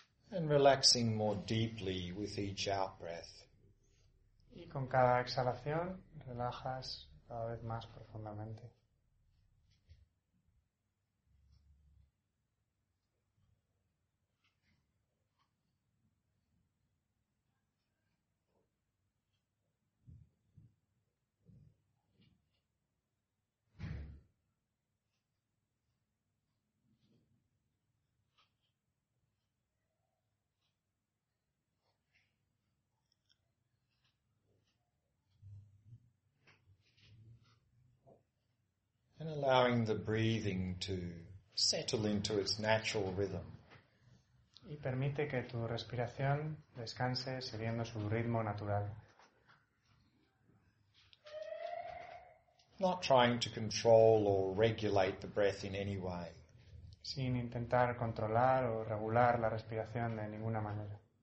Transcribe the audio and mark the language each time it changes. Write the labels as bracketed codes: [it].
[en] And relaxing more deeply with each out breath. [es] Y con cada exhalación relajas cada vez más profundamente. [en] And allowing the breathing to settle into its natural rhythm. [es] Y permite que tu respiración descanse siguiendo su ritmo natural. [en] Not trying to control or regulate the breath in any way. [es] Sin intentar controlar o regular la respiración de ninguna manera.